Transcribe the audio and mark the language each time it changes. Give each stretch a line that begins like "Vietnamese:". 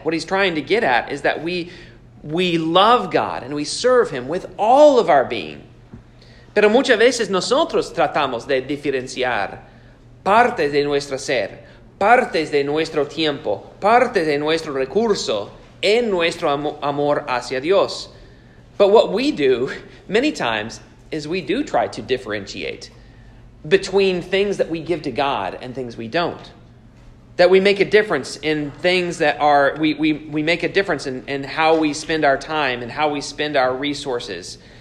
English: What he's trying to get at is that we love God and we serve Him with all of our being.
Spanish: Pero muchas veces nosotros tratamos de diferenciar partes de nuestro ser, partes de nuestro tiempo, partes de nuestro recurso en nuestro amor hacia Dios.
English: But what we do many times is we do try to differentiate between things that we give to God and things we don't. That we make a difference in things that are, we make a difference in how we spend our time and how we spend our resources.